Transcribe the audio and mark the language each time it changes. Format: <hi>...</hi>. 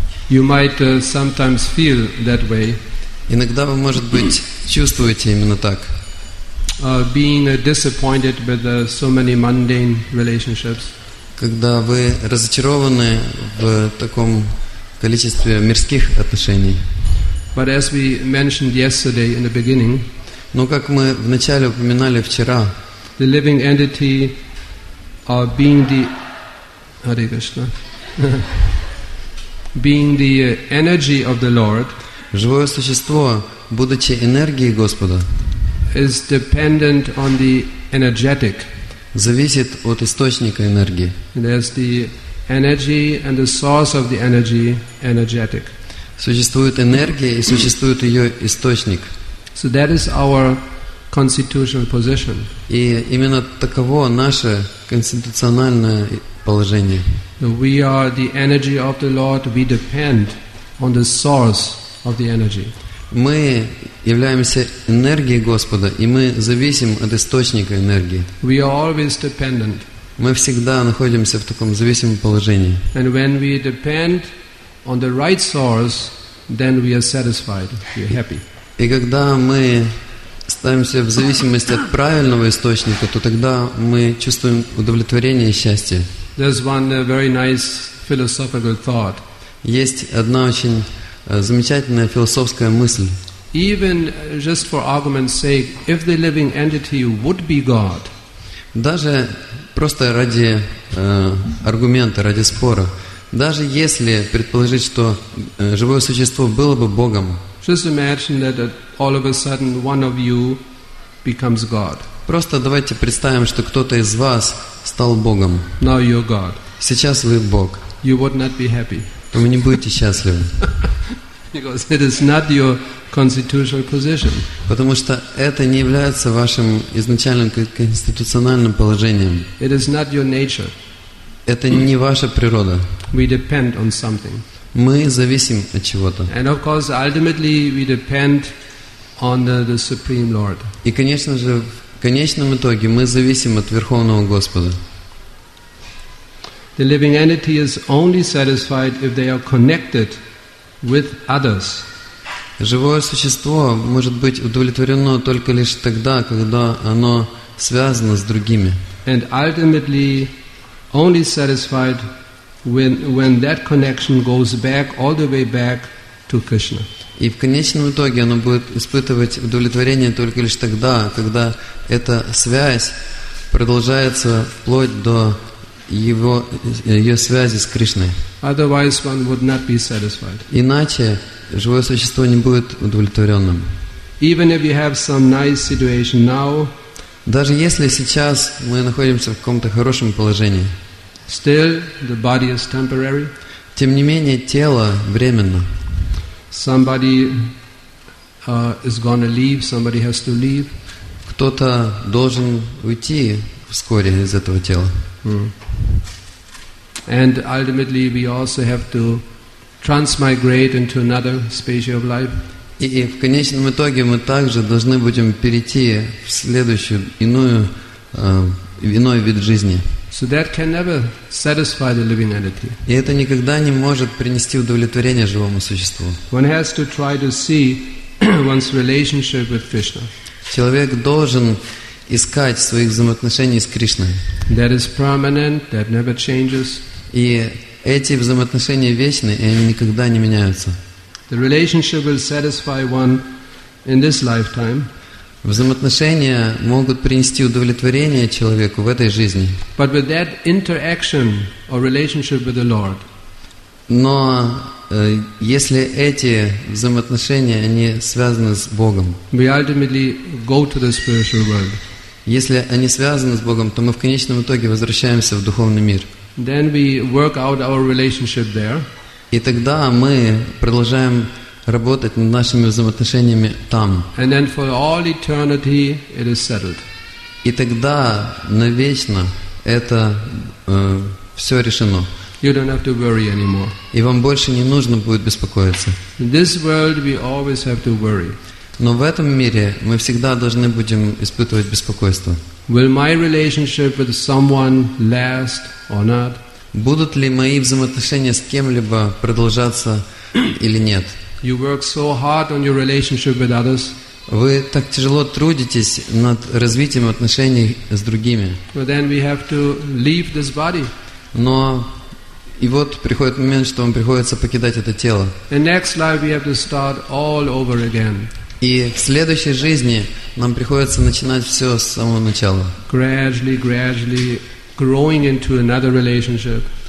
<en>You might sometimes feel that way.</en> <ru>Иногда вы, может быть, чувствуете именно так.</ru> <en>Being disappointed with so many mundane relationships.</en> <ru>Когда вы разочарованы в таком количестве мирских отношений.</ru> <en>But as we mentioned yesterday in the beginning,</en> <ru>но как мы вначале упоминали вчера,</ru> <en>the living entity are being the Hare Krishna. Being the energy of the Lord,</en> <ru>живое существо, будучи энергией Господа,</ru> <en>is dependent on the energetic,</en> <ru>зависит от источника энергии.</ru> <en>There's the energy and the source of the energy, energetic.</en> <ru>Существует энергия и существует ее источник.</ru> <en>So that is our constitutional position.</en> <ru>И именно таково наше конституциональное положение.</ru> <en>We are the energy of the Lord. We depend on the source of the energy.</en> <ru>Мы являемся энергией Господа, и мы зависим от источника энергии.</ru> <en>We are always dependent.</en> <ru>Мы всегда находимся в таком зависимом положении.</ru> <en>And when we depend on the right source, then we are satisfied. We are happy.</en> <ru>И когда мы ставимся в зависимость от правильного источника, то тогда мы чувствуем удовлетворение и счастье.</ru> <en>There's one very nice philosophical thought.</en> <ru>Есть одна очень замечательная философская мысль.</ru> <en>Even just for argument's sake, if the living entity would be God,</en> <ru>даже просто ради аргумента, ради спора, даже если предположить, что живое существо было бы Богом,</ru> <en>just imagine that all of a sudden one of you becomes God.</en> <ru>Просто давайте представим, что кто-то из вас стал Богом.</ru> <en>Now you're God.</en> <ru>Сейчас вы Бог.</ru> <en>You would not be happy.</en> <ru>То вы не будете счастливы.</ru> <en>Because it is not your constitutional position.</en> <ru>Потому что это не является вашим изначальным конституциональным положением.</ru> <en>It is not your nature.</en> <ru>Это не ваша природа.</ru> <en>We depend on something.</en> <ru>Мы зависим от чего-то.</ru> <en>And of course, ultimately, we depend on the Supreme Lord.</en> <ru>И, конечно же, в конечном итоге мы зависим от Верховного Господа.</ru> <en>The living entity is only satisfied if they are connected with others.</en> <ru>Живое существо может быть удовлетворено только лишь тогда, когда оно связано с другими.</ru> <en>And ultimately, only satisfied when that connection goes back all the way back to Krishna.</en> <ru>И в конечном итоге оно будет испытывать удовлетворение только лишь тогда, когда эта связь продолжается вплоть до ее связи с Кришной.</ru> <en>Otherwise one would not be satisfied.</en> <ru>Иначе живое существо не будет удовлетворенным.</ru> <en>Even if you have some nice situation now,</en> <ru>даже если сейчас мы находимся в каком-то хорошем положении,</ru> <en>still, the body is temporary.</en> <ru>Тем не менее, тело временно.</ru> <en>Somebody is gonna leave. Somebody has to leave.</en> <ru>Кто-то должен уйти вскоре из этого тела.</ru> <en>And ultimately, we also have to transmigrate into another species of life.</en> <ru>И в конечном итоге мы также должны будем перейти в следующую иной вид жизни.</ru> <en>So that can never satisfy the living entity.</en> <ru>И это никогда не может принести удовлетворение живому существу.</ru> <en>One has to try to see one's relationship with Krishna.</en> <ru>Человек должен искать своих взаимоотношений с Кришной.</ru> <en>That is permanent, that never changes.</en> <ru>И эти взаимоотношения вечны, и они никогда не меняются.</ru> <en>The relationship will satisfy one in this lifetime.</en> <ru>Взаимоотношения могут принести удовлетворение человеку в этой жизни.</ru> <en>But with that interaction or relationship with the Lord.</en> <ru>Но если эти взаимоотношения они связаны с Богом,</ru> <en>we ultimately go to the spiritual world.</en> <ru>Если они связаны с Богом, то мы в конечном итоге возвращаемся в духовный мир.</ru> <en>Then we work out our relationship there.</en> <ru>И тогда мы продолжаем работать над нашими взаимоотношениями там.</ru> <en>And then for all eternity it is settled.</en> <ru>И тогда навечно это все решено.</ru> <en>You don't have to worry anymore.</en> <ru>И вам больше не нужно будет беспокоиться.</ru> <en>In this world we always have to worry.</en> <ru>Но в этом мире мы всегда должны будем испытывать беспокойство.</ru> <en>Will my relationship with someone last or not?</en> <ru>Будут ли мои взаимоотношения с кем-либо продолжаться или нет?</ru> <en>You work so hard on your relationship with others.</en> <ru>Вы так тяжело трудитесь над развитием отношений с другими.</ru> <en>But then we have to leave this body.</en> <ru>Но и вот приходит момент, что вам приходится покидать это тело.</ru> <en>In next life we have to start all over again.</en> <ru>И в следующей жизни нам приходится начинать все с самого начала.</ru> <en>Gradually, gradually growing into another relationship.</en>